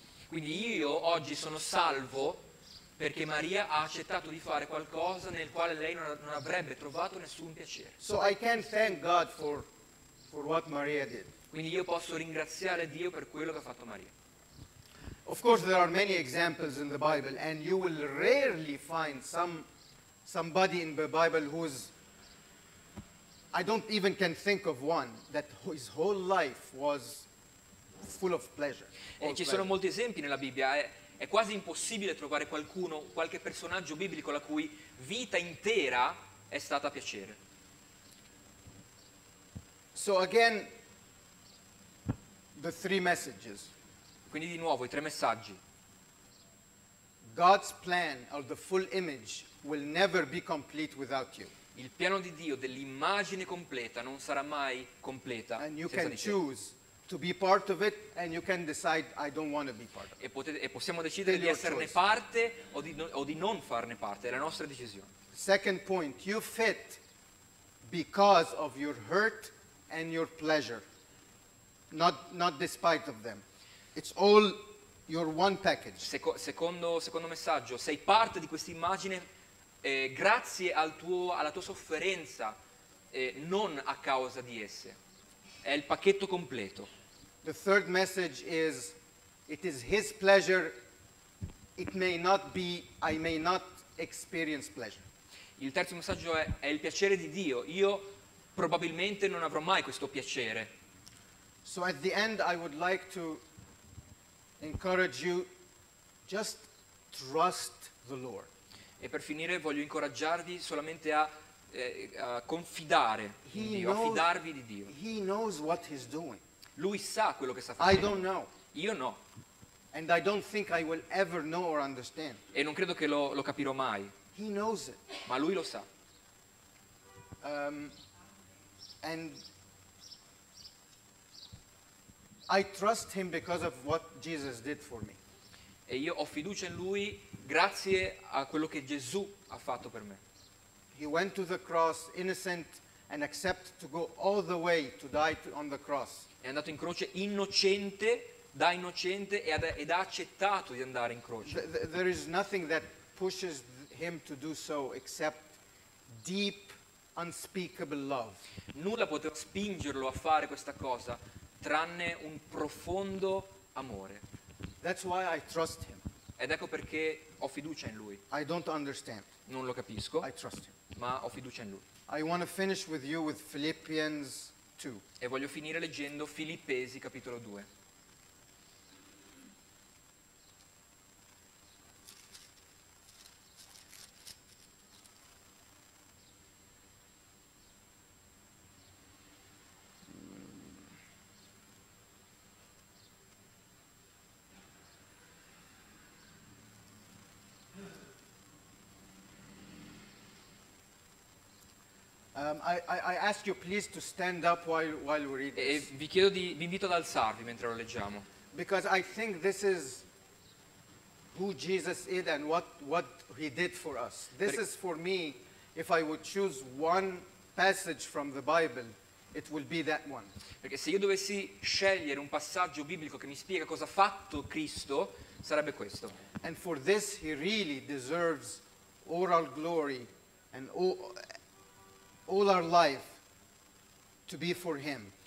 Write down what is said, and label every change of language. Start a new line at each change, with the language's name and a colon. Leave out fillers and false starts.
Italian: Quindi io oggi sono salvo perché Maria ha accettato di fare qualcosa nel quale lei non avrebbe trovato nessun piacere.
English: So I can thank God for what Maria did.
Italian: Quindi io posso ringraziare Dio per quello che ha fatto Maria.
English: Of course there are many examples in the Bible and you will rarely find somebody in the Bible who's, I don't even can think of one, that his whole life was full of pleasure.
Italian: E ci sono molti esempi nella Bibbia, è quasi impossibile trovare qualcuno, qualche personaggio biblico la cui vita intera è stata a piacere.
English: So again, the three messages.
Italian: Quindi di nuovo i tre messaggi.
English: God's plan or the full image will never be complete without you.
Italian: Il piano di Dio dell'immagine completa non sarà mai completa.
English: And you can choose to be part of it and you can decide I don't want to be part of it.
Italian: E possiamo decidere di esserne parte o di non farne parte, è la nostra decisione.
English: Second point, you fit because of your hurt and your pleasure. Not despite of them. It's all your one package.
Italian: Secondo messaggio, sei parte di questa immagine grazie alla tua sofferenza, non a causa di esse. È il pacchetto completo.
English: The third message is it is his pleasure, it may not be, I may not experience pleasure.
Italian: Il terzo messaggio è il piacere di Dio. Io probabilmente non avrò mai questo piacere.
English: So at the end I would like to encourage you, just trust the Lord.
Italian: E per finire voglio incoraggiarvi solamente a confidare in Dio, a fidarvi di Dio.
English: He knows what he's doing.
Italian: Lui sa quello che sta facendo.
English: I don't know.
Italian: Io no.
English: And I don't think I will ever know or understand.
Italian: E non credo che lo capirò mai.
English: He knows it.
Italian: Ma lui lo sa.
English: And I trust him because of what Jesus did for me.
Italian: E io ho fiducia in lui grazie a quello che Gesù ha fatto per me.
English: He went to the cross innocent and accepted to go all the way to die on the cross.
Italian: È andato in croce innocente, da innocente ed ha accettato di andare in croce.
English: There is nothing that pushes him to do so except deep unspeakable love.
Italian: Nulla poteva spingerlo a fare questa cosa tranne un profondo amore.
English: That's why I trust him.
Italian: Ed ecco perché ho fiducia in lui.
English: I don't understand.
Italian: Non lo capisco.
English: I trust him.
Italian: Ma ho fiducia in lui.
English: I want to finish with you with Philippians 2.
Italian: E voglio finire leggendo Filippesi capitolo 2.
English: I ask you please to stand up while we read this.
Italian: E vi invito ad alzarvi mentre lo leggiamo.
English: Because I think this is who Jesus is and what he did for us. This is for me, if I would choose one passage from the Bible, it will be that one.
Italian: Perché se io dovessi scegliere un passaggio biblico che mi spiega cosa ha fatto Cristo, sarebbe questo.
English: And for this he really deserves all glory and all our life to be for him.